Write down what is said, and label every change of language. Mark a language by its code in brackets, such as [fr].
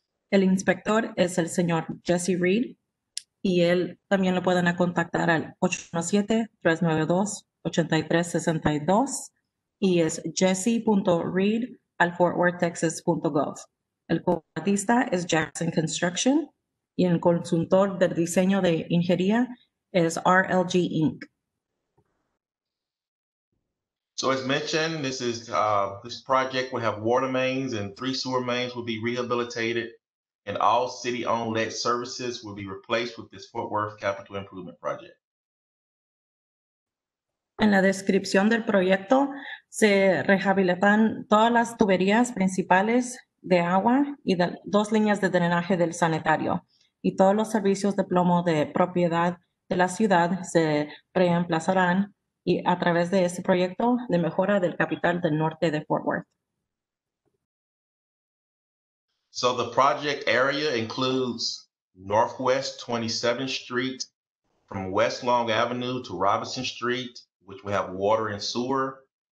[es] El inspector es el señor Jesse Reed, y él también lo pueden contactar al 817-392-8362, y es jesse.reed@fortworthtexas.gov. El contratista es Jackson Construction, y el consultor del diseño de ingeniería es RLG Inc. [en] So as mentioned, this is this project will have water mains, and three sewer mains will be rehabilitated, and all city-owned lead services will be replaced with this Fort Worth Capital Improvement Project. [es] En la descripción del proyecto se rehabilitan todas las tuberías principales de agua y de dos líneas de drenaje del sanitario, y todos los servicios de plomo de propiedad de la ciudad se reemplazarán. Y a través de este proyecto de mejora del capital del norte de Fort Worth. [en] So the project area includes Northwest 27th Street from West Long Avenue to Robinson Street, which we have water and sewer.